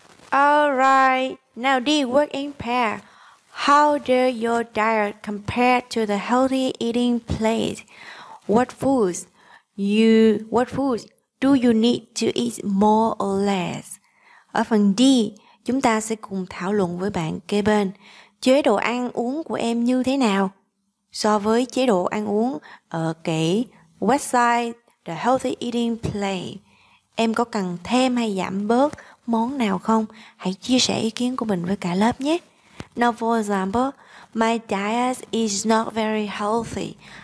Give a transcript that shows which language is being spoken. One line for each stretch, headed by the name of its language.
English: All right. Now, D, work in pair. How does your diet compare to the healthy eating plate? What foods do you need to eat more or less?
Vietnamese: Ở phần D, chúng ta sẽ cùng thảo luận với bạn kế bên. Chế độ ăn uống của em như thế nào so với chế độ ăn uống ở cái website The Healthy Eating Plate? Em có cần thêm hay giảm bớt món nào không? Hãy chia sẻ ý kiến của mình với cả lớp nhé.
English: Now for example, my diet is not very healthy.